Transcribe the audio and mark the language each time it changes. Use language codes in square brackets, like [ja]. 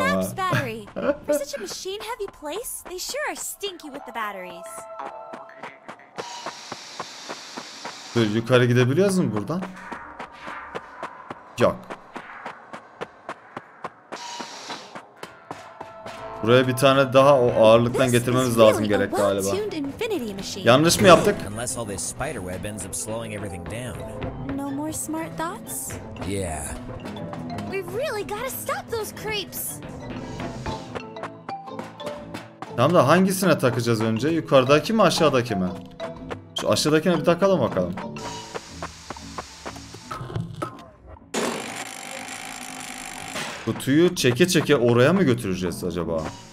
[en] For such a machine heavy place, they sure are stinky with the batteries. [tr] Dur, yukarı gidebiliyoruz mu buradan? Yok. Buraya bir tane daha o ağırlıktan getirmemiz lazım gerek galiba. Yanlış mı yaptık? [en] Unless all this spider web ends up slowing everything down. No more smart thoughts? Yeah. We really gotta stop those creeps. [tr] Tamam da hangisine takacağız önce? Yukarıdaki mi aşağıdaki mi? Şu aşağıdakine bir takalım bakalım. Kutuyu çeke çeke oraya mı götüreceğiz acaba?